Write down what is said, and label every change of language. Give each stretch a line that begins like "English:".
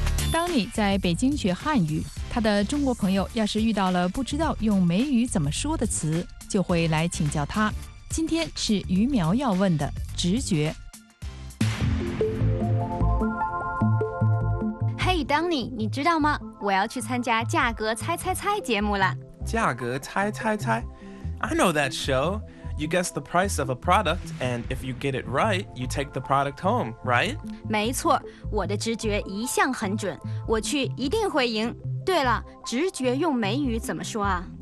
Chinese: 当你在北京学汉语，他的中国朋友要是遇到了不知道用美语怎么说的词，就会来请教他。今天是于苗要问的直觉。 Hey, Danny, 你知道吗？我要去参加价格猜猜猜节目了。
English: 价格猜猜猜？I know that show. You guess the price of a product, and if you get it right, you take the product home, right?
Chinese: 没错，我的直觉一向很准，我去一定会赢。对了，直觉用美语怎么说啊？